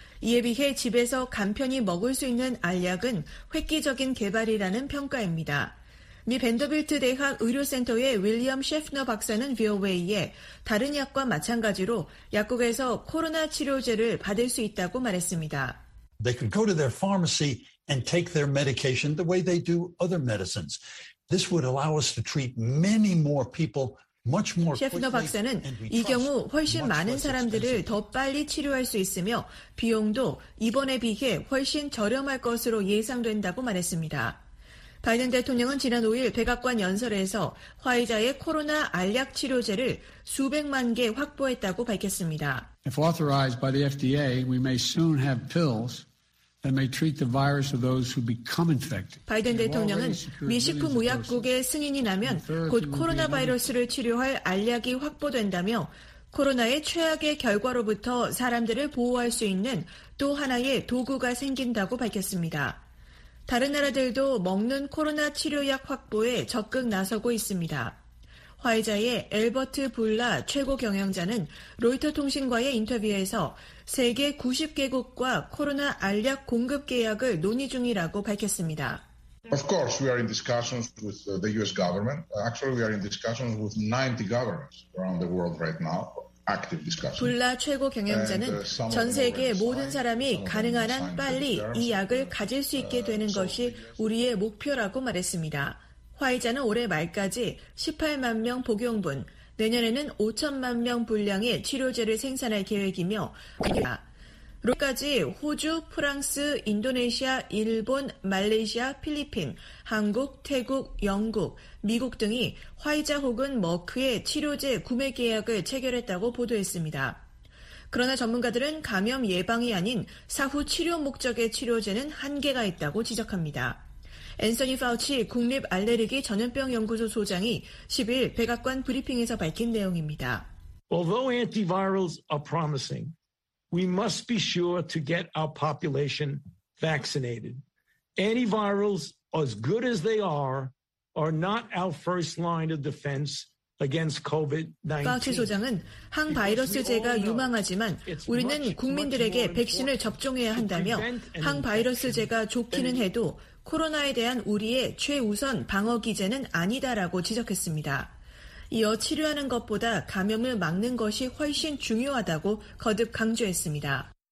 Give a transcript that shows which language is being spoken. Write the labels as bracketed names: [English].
[Korean] 이에 비해 집에서 간편히 먹을 수 있는 알약은 획기적인 개발이라는 평가입니다. 미 벤더빌트 대학 의료센터의 윌리엄 셰프너 박사는 VOA에 다른 약과 마찬가지로 약국에서 코로나 치료제를 받을 수 있다고 말했습니다. [English] They can go to their pharmacy and take their medication the way they do other medicines. This would allow us to treat many more people [Korean] 셰프너 박사는 이 경우 훨씬 많은 사람들을 더 빨리 치료할 수 있으며 비용도 이번에 비해 훨씬 저렴할 것으로 예상된다고 말했습니다. 바이든 대통령은 지난 5일 백악관 연설에서 화이자의 코로나 알약 치료제를 수백만 개 확보했다고 밝혔습니다. [English] If authorized by the FDA, we may soon have pills. [Korean] 바이든 대통령은 미 식품의약국의 승인이 나면 곧 코로나 바이러스를 치료할 알약이 확보된다며 코로나의 최악의 결과로부터 사람들을 보호할 수 있는 또 하나의 도구가 생긴다고 밝혔습니다. 다른 나라들도 먹는 코로나 치료약 확보에 적극 나서고 있습니다. 화이자의 엘버트 불라 최고 경영자는 로이터통신과의 인터뷰에서 세계 90개국과 코로나 알약 공급 계약을 논의 중이라고 밝혔습니다. [English] Of course, we are in discussions with the US government. Actually, we are in discussions with 90 governments around the world right now. [Korean] 불라 최고 경영자는 전 세계 모든 사람이 가능한 한 빨리 이 약을 가질 수 있게 되는 것이 우리의 목표라고 말했습니다. 화이자는 올해 말까지 18만 명 복용분, 내년에는 5천만 명 분량의 치료제를 생산할 계획이며, 로까지 호주, 프랑스, 인도네시아, 일본, 말레이시아, 필리핀, 한국, 태국, 영국, 미국 등이 화이자 혹은 머크의 치료제 구매 계약을 체결했다고 보도했습니다. 그러나 전문가들은 감염 예방이 아닌 사후 치료 목적의 치료제는 한계가 있다고 지적합니다. 앤서니 파우치 국립 알레르기 전염병 연구소 소장이 10일 백악관 브리핑에서 밝힌 내용입니다. [English] Although antivirals are promising, we must be sure to get our population vaccinated. Antivirals, as good as they are not our first line of defense against COVID-19. [Korean] 파우치 소장은 항바이러스제가 유망하지만 우리는 국민들에게 백신을 접종해야 한다며 항바이러스제가 좋기는 해도 코로나에 대한 우리의 최우선 방어 기제는 아니다라고 지적했습니다. 이어 치료하는 것보다 감염을 막는 것이 훨씬 중요하다고 거듭 강조했습니다.